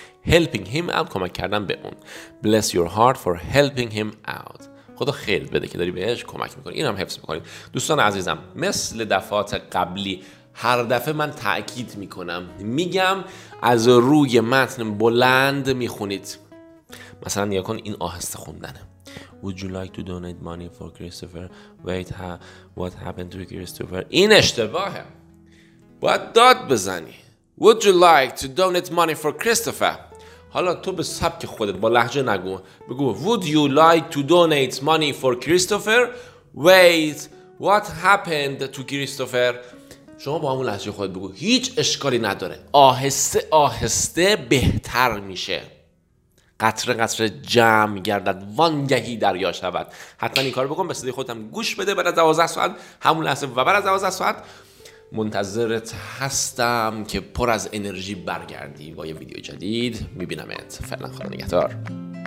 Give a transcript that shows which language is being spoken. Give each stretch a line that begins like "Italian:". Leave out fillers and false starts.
English: Helping him out،
Persian: کمک کردن به اون.
English: Bless your heart for helping him out.
Persian: خدا خیرت بده که داری بهش کمک میکنی. این هم حفظ میکنیم. دوستان عزیزم، مثل دفعات قبلی هر دفعه من تأکید میکنم، میگم از روی متن بلند میخونید. مثلا نیا کن، این آهسته خوندنه.
English: Would you like to donate money for Christopher? Wait, what happened to Christopher?
Persian: این اشتباهه. باید داد بزنی.
English: Would you like to donate money for Christopher?
Persian: حالا تو به سبک خودت با لهجه نگو. بگو
English: Would you like to donate money for Christopher? Wait, what happened to Christopher?
Persian: شما با همون لحظه خود بگو هیچ اشکالی نداره، آهسته آهسته بهتر میشه، قطره قطره جمع گردد وانگهی دریا شود. حتما این کار بکن، به صدای خودم گوش بده. بعد از 12 ساعت همون لحظه و بعد از 12 ساعت منتظرت هستم که پر از انرژی برگردی با یه ویدیو جدید. میبینمت. فعلا خدا نگهدار.